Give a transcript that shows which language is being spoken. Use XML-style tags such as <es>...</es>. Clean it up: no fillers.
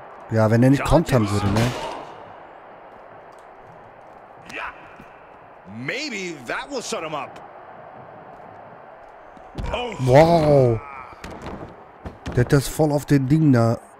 <de>Ja, wenn er nicht kontern würde, ne?</de> <en>Maybe that will shut him up. Oh. Wow.</en> <de>Der hat das voll auf den Ding da.</de>